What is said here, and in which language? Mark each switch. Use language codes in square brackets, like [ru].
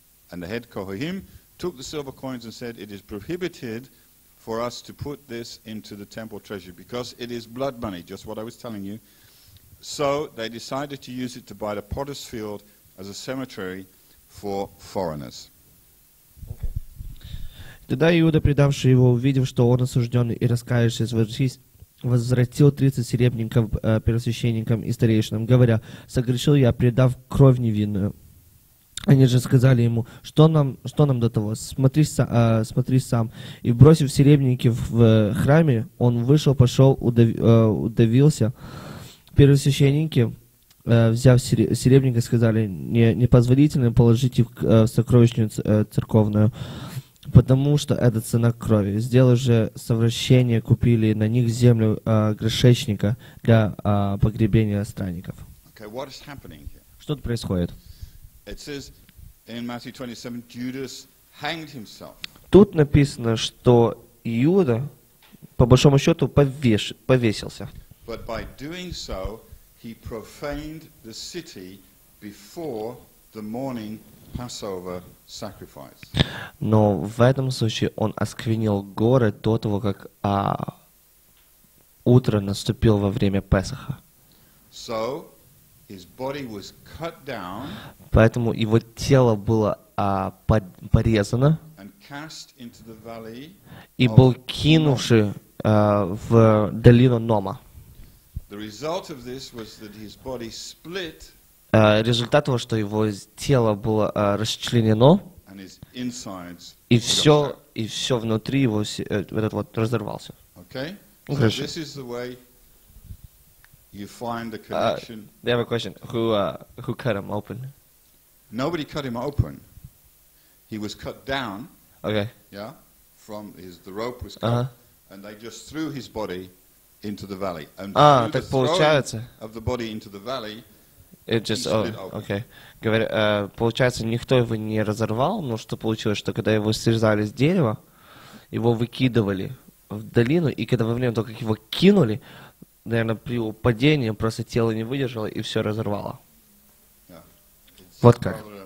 [en] And the head Kohanim took the silver coins and said, it is prohibited for us to put this into the temple treasury because it is blood money, just what I was telling you. So they decided to use it to buy the potter's field as a cemetery for foreigners. [ru] Тогда Иуда, предавший его, увидев, что он осужден и раскаявшись, возвратил 30 серебряников первосвященникам и старейшинам, говоря, согрешил я, предав кровь невинную. Они же сказали ему, что нам до того, смотри сам. И бросив серебряники в храме, он вышел, пошел, удавился. Первосвященники, взяв серебряника, сказали, непозволительно положить их в сокровищницу церковную, потому что это цена крови. Сделав же совращение, купили на них землю грешечника для погребения странников. [en] Okay, what is happening here? [ru] Что-то происходит. [en] It says in Matthew 27, Judas hanged himself. [ru] Тут написано, что Иуда, по большому счету, повесился. [en] But by doing so, he profaned the city before the morning Passover sacrifice. [ru] Но в этом случае он осквернил город до того, как утро наступило во время Песоха. [en] So, his body was cut down. [ru] Поэтому его тело было порезано [en] and cast into the valley [ru] и был кинувши в долину Нома. [en] The result of this was that his body split. [ru] Результат того, что его тело было расчленено [en] and his insides [ru] и все внутри его этот разорвался. [en] Okay. Okay. So this is the way you find the connection. They have a question. Who cut him open? Nobody cut him open. He was cut down. Okay. Yeah. From the rope was cut, and they just threw his body into the valley. And the throwing of the body into the valley. It just split open. [ru] Говорит, получается, никто его не разорвал, но что получилось, что когда его срезали с дерева, его выкидывали в долину, и когда во время того, как его кинули, наверное, при падении просто тело не выдержало и все разорвало. Вот как.